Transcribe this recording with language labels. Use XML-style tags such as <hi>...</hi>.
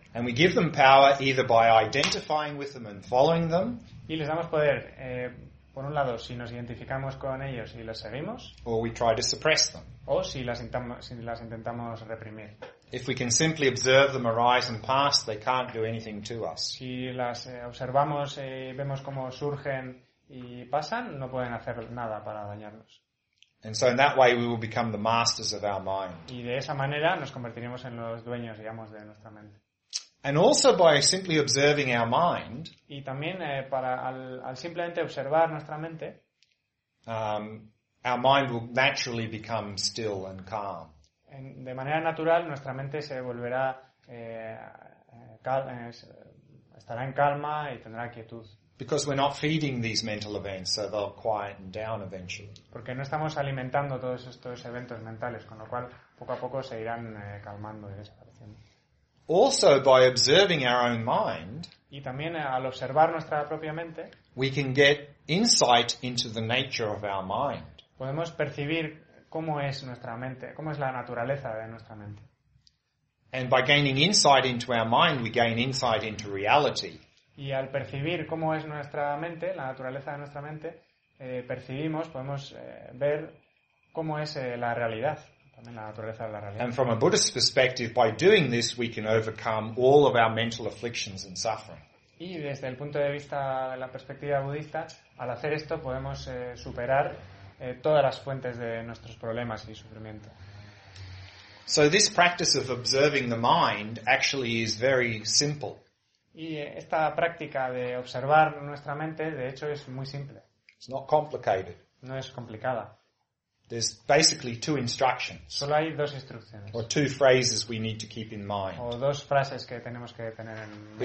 <en>And we give them power either by identifying with them and following them.</en> <es>Y les damos poder, por un lado, si nos identificamos con ellos y los seguimos.</es> <en>Or we try to suppress them.</en> <es>O si las intentamos reprimir.</es> <en>If we can simply observe them arise and pass, they can't do anything to us.</en> <es>Si las observamos y vemos cómo surgen y pasan, no pueden hacer nada para dañarnos.</es> <en>And so in that way we will become the masters of our mind.</en> <es>Y de esa manera nos convertiremos en los dueños y amos de nuestra mente.</es> <en>And also by simply observing our mind,</en> <es>y también para al simplemente observar nuestra mente,</es> <en>our mind will naturally become still and calm.</en> <es>De manera natural nuestra mente se volverá estará en calma y tendrá quietud.</es> <en>Because we're not feeding these mental events, so they'll quieten down eventually.</en> <es>Porque no estamos alimentando todos estos eventos mentales, con lo cual poco a poco se irán calmando y desapareciendo.</es> <en>Also by observing our own mind,</en> <es>y también al observar nuestra propia mente,</es> <en>we can get insight into the nature of our mind.</en> <es>Podemos percibir cómo es nuestra mente, cómo es la naturaleza de nuestra mente.</es> <en>And by gaining insight into our mind, we gain insight into reality.</en> <es>Y al percibir cómo es nuestra mente, la naturaleza de nuestra mente, percibimos, podemos ver cómo es la realidad.</es> <en>And from a Buddhist perspective, by doing this, we can overcome all of our mental afflictions and suffering.</en> <es>Y desde el punto de vista de la perspectiva budista, al hacer esto podemos superar todas las fuentes de nuestros problemas y sufrimiento.</es> <en>So this practice of observing the mind actually is very simple.</en> <es>Y esta práctica de observar nuestra mente, de hecho, es muy simple.</es> <en>It's not complicated.</en> <es>No es complicada.</es> <en>There's basically two instructions.</en> <es>Solo hay dos instrucciones.</es> <en>Or two phrases we need to keep in mind.</en> <es>O dos frases que tenemos que tener en mente.</es>